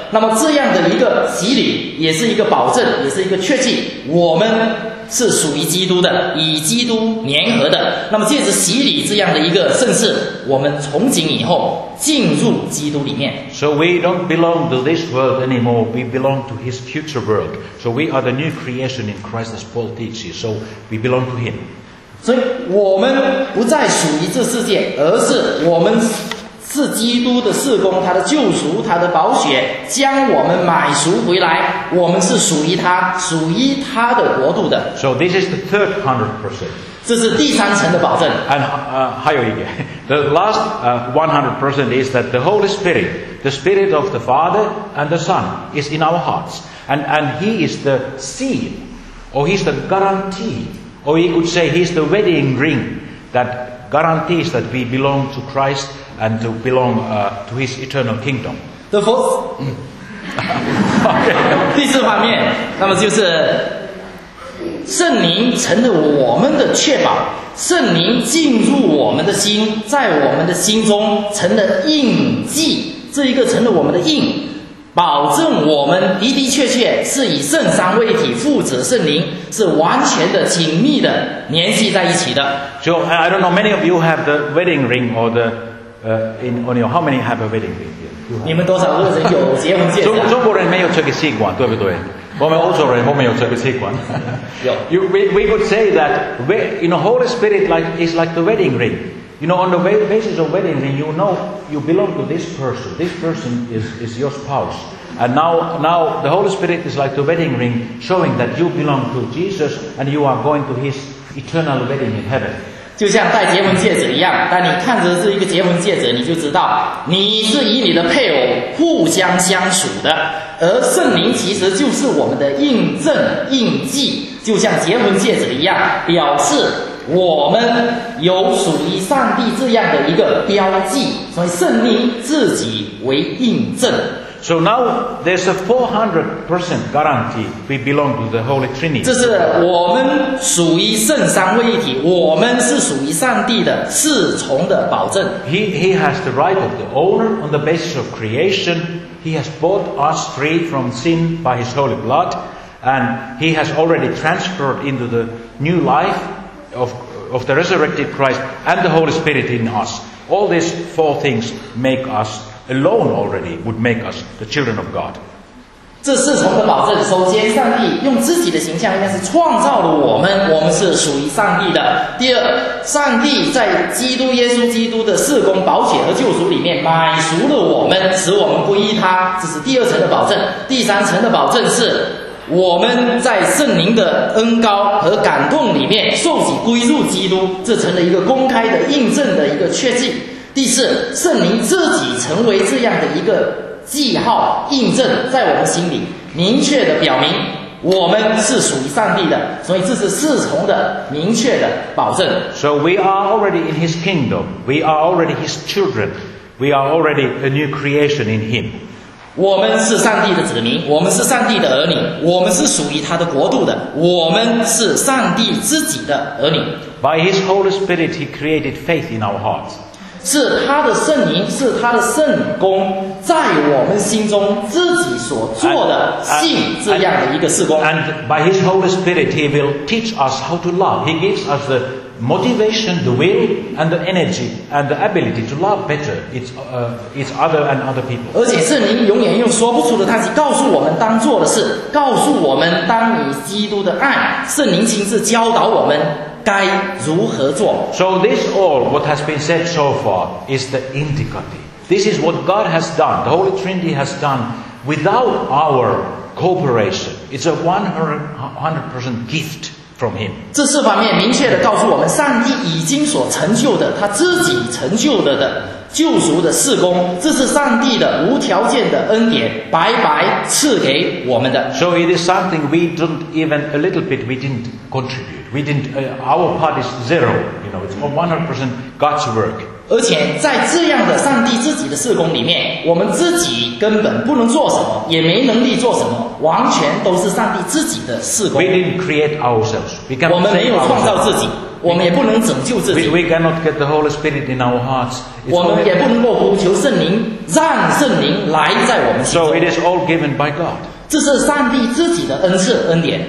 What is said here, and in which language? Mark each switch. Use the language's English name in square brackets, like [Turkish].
[Chinese] 那么这样的一个洗礼，也是一个保证，也是一个确据，我们是属于基督的，与基督联合的。那么借着洗礼这样的一个圣事，我们从今以后进入基督里面。 [English] So we don't belong to this world anymore. We belong to His future world. So we are the new creation in Christ, as Paul teaches. So we belong to Him. [Chinese] 所以我们不再属于这世界，而是我们是基督的事工，他的救赎，他的宝血将我们买赎回来，我们是属于他，属于他的国度的。 [English] So this is the third 100%. [Chinese] 这是第三层的保证。 [English] And [Chinese] 还有一点 [English] the last 100% is that the Holy Spirit, the Spirit of the Father and the Son is in our hearts. And He is the seal, or He's the guarantee, or you could say He's the wedding ring that guarantees that we belong to Christ. And to belong to His eternal kingdom. The fourth, okay. [Chinese] 第四方面，那么就是圣灵成了我们的确保，圣灵进入我们的心，在我们的心中成了印记，这一个成了我们的印，保证我们的的确确是以圣三位一体父子圣灵是完全的紧密的联系在一起的。 [English] So I don't know, many of you have the wedding ring or the in on your, how many have a wedding ring? [Chinese] 你们多少个人有结婚戒指？中国人没有这个习惯，对不对？我们欧洲人没有这个习惯。有。 [English] We would say that Holy Spirit is like the wedding ring. You know, on the basis of wedding ring, you know you belong to this person. This person is your spouse. And now the Holy Spirit is like the wedding ring, showing that you belong to Jesus and you are going to His eternal wedding in heaven. [Chinese] 就像戴结婚戒指一样，当你看着这一个结婚戒指，你就知道你是与你的配偶互相相属的。而圣灵其实就是我们的印证、印记，就像结婚戒指一样，表示我们有属于上帝这样的一个标记。所以圣灵自己为印证。 [English] So now there's a 400% guarantee we belong to the Holy Trinity. [Chinese] 这是我们属于圣三位一体，我们是属于上帝的侍从的保证。 [English] He has the right of the owner on the basis of creation. He has bought us free from sin by His holy blood, and He has already transferred into the new life of the resurrected Christ and the Holy Spirit in us. All these four things make us. Alone already would make us the children of God. [Chinese] 这侍从的保证，首先上帝用自己的形象应该是创造了我们，我们是属于上帝的。第二，上帝在基督耶稣基督的事工、保险和救赎里面买赎了我们，使我们归依他，这是第二层的保证。第三层的保证是我们在圣灵的恩膏和感动里面受洗归入基督，这成了一个公开的印证的一个确据。第四，圣灵自己成为这样的一个记号印证在我们心里，明确的表明我们是属于上帝的，所以这是侍从的明确的保证。 [English] So we are already in his kingdom. We are already his children. We are already a new creation in him. [Chinese] 我们是上帝的子民，我们是上帝的儿女，我们是属于他的国度的，我们是上帝自己的儿女。 [English] By his Holy Spirit he created faith in our hearts. [Chinese] 是他的圣灵，是他的圣功在我们心中自己所做的信这样的一个事工。 [English] And by his Holy Spirit he will teach us how to love. He gives us the motivation, the will and the energy and the ability to love better its other and other people. [Chinese] 而且圣灵永远用说不出的叹息告诉我们当做的事，告诉我们当以基督的爱，圣灵亲自教导我们该如何做。 [English] So this all what has been said so far is the indicative. This is what God has done, the Holy Trinity has done without our cooperation. It's a 100% gift from him. [Chinese] 这四方面明确地告诉我们上帝已经所成就的，他自己成就了的救赎的事工，这是上帝的无条件的恩典，白白赐给我们的。 [English] So it is something we didn't even a little bit we didn't contribute. We didn't, our part is zero. You know, it's 100% God's work. [Chinese] 而且在这样的上帝自己的事工里面，我们自己根本不能做什么，也没能力做什么，完全都是上帝自己的事工。 [English] We didn't create ourselves. We cannot. [Chinese] 我们没有创造自己。我们也不能拯救自己。 [English] We cannot get the Holy Spirit in our hearts. [Chinese] 我们也不能够呼求圣灵，让圣灵来在我们心中。 [English] So it is all given by God. [Chinese] 这是上帝自己的恩赐恩典。